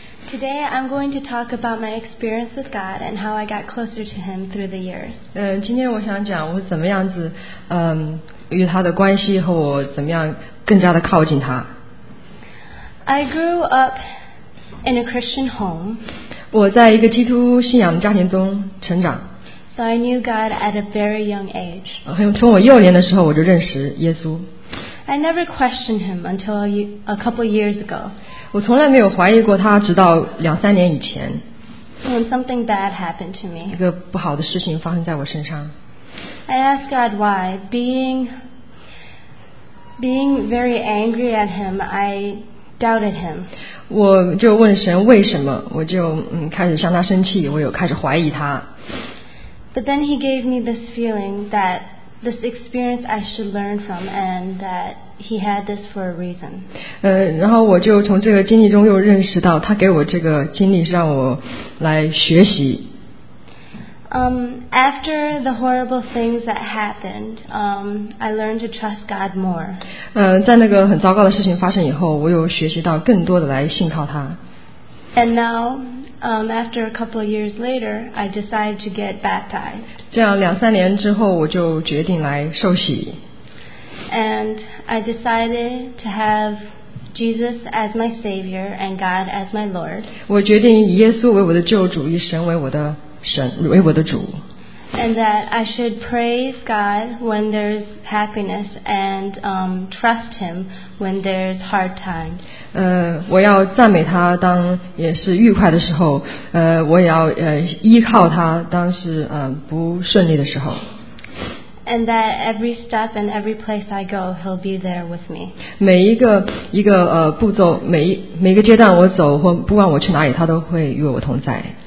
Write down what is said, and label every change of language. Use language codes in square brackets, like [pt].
[en] Today, I'm going to talk about my experience with God and how I got closer to Him through the years. [zh] 今天我想讲我怎么样子，与他的关系和我怎么样更加的靠近他。 [en] I grew up in a Christian home. [zh] 我在一个基督信仰的家庭中成长。 [en] So I knew God at a very young age. [zh] 从我幼年的时候我就认识耶稣。 [en] I never questioned him until a couple years ago. [zh] 我从来没有怀疑过他，直到两三年以前。 [en] When something bad happened to me. [zh] 一个不好的事情发生在我身上。 [en] I asked God why. Being very angry at him, I doubted him. [zh] 我就问神为什么，我就开始向他生气，我又开始怀疑他。 [en] But then he gave me this feeling that this experience I should learn from and that he had this for a reason. [zh] 然后我就从这个经历中又认识到他给我这个经历是让我来学习。 [en] After the horrible things that happened, I learned to trust God more. [zh] 在那个很糟糕的事情发生以后，我又学习到更多的来信靠他。 [en] And now,after a couple of years later, I decided to get baptized. [zh] 这样两三年之后，我就决定来受洗。 [en] And I decided to have Jesus as my Savior and God as my Lord. [zh] 我决定以耶稣为我的救主，以神为我的神，为我的主。 [en] And that I should praise God when there's happiness and trust Him when there's hard times. [zh] 我要赞美他当也是愉快的时候，我也要依靠他当是不顺利的时候。 [en] And that every step and every place I go, He'll be there with me. [zh] 每一个步骤，每一个阶段我走，或不管我去哪里，他都会与我同在。